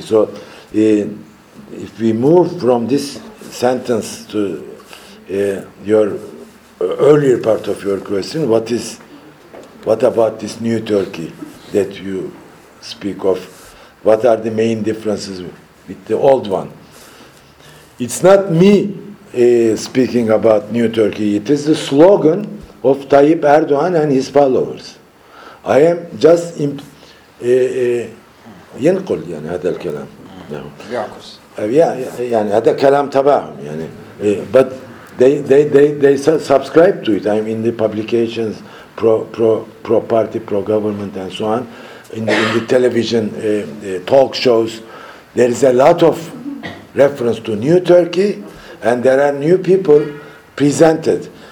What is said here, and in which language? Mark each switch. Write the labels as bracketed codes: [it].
[en] So if we move from this sentence to your earlier part of your question, what about this new Turkey that you speak of? What are the main differences with the old one? It's not me speaking about new Turkey. It is the slogan of Tayyip Erdoğan and his followers. I am just [ar] ينقل يعني هذا الكلام. يعني هذا كلام تبعهم يعني. [en] But they subscribe to it. I mean, in the publications, pro party, pro government, and so on, in the television talk shows, there is a lot of reference to New Turkey, and there are new people presented.